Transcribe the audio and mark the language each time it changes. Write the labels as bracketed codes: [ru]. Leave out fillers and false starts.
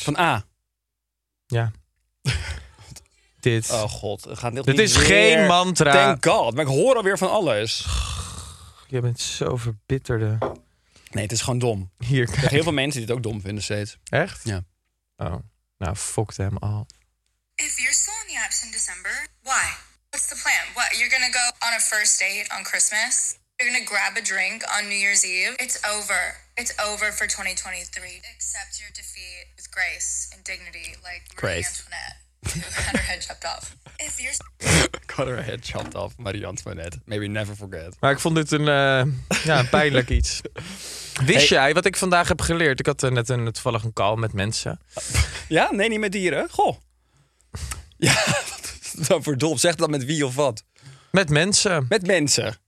[nl] Van A. Ja. Dit. Oh god. Het gaat dit is weer... geen mantra. [en] Thank god. [nl] Maar ik hoor alweer van alles. Je bent zo verbitterde. Nee, het is gewoon dom. Hier, kijk. Er zijn heel veel mensen die het ook dom vinden steeds. Echt? Ja. Oh. Nou, [en] fuck them all. If you're still on the apps in December, why? What's the plan? What, you're gonna go on a first date on Christmas? You're gonna grab a drink on New Year's Eve? It's over. It's over for 2023. Accept your defeat with grace and dignity, like Marie Antoinette. Cut her head chopped off. If you're... Cut her head chopped off, Marie Antoinette. Maybe never forget. [nl] Maar ik vond dit een pijnlijk iets. Wist jij wat ik vandaag heb geleerd? Ik had net toevallig een call met mensen. Ja? Nee, niet met dieren. Goh. Ja... Dan verdomd, zeg dat met wie of wat? Met mensen. Met mensen.